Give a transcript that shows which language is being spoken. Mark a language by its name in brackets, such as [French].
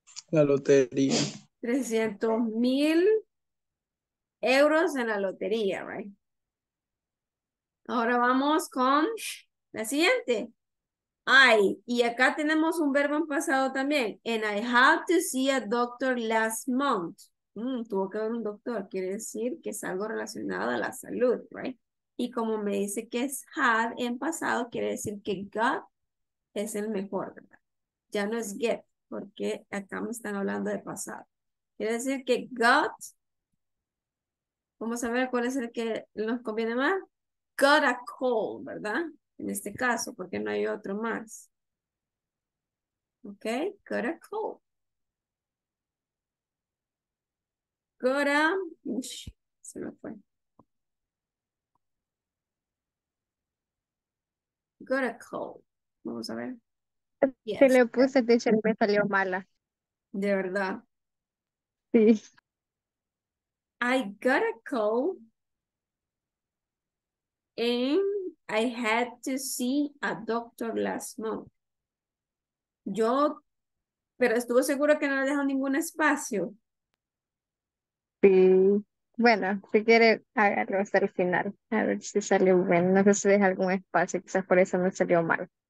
[Spanish] La lotería. 300 mil euros en la lotería, [English] right? [Spanish] Ahora vamos con la siguiente. I. Y acá tenemos un verbo en pasado también. [English] And I had to see a doctor last month. [Spanish] Tuvo que ver un doctor, quiere decir que es algo relacionado a la salud, [English] right? [Spanish] Y como me dice que es had en pasado, quiere decir que got es el mejor, ¿verdad? Ya no es get, porque acá me están hablando de pasado. Quiere decir que got, vamos a ver cuál es el que nos conviene más. [English] Got a cold, [Spanish] ¿verdad? En este caso, porque no hay otro más. [English] Ok, got a cold. Got a, [Spanish] se me fue. [English] Got a cold. [Spanish] Vamos a ver. Yes. Se le puse, teacher, me salió mala. De verdad. Sí. [English] I got a cold. And I had to see a doctor last month. [Spanish] Pero estuvo seguro que no le dejó ningún espacio. Sí, bueno, si quiere, hágalo hasta el final. A ver si salió bien. No sé si deja algún espacio, quizás por eso no salió mal.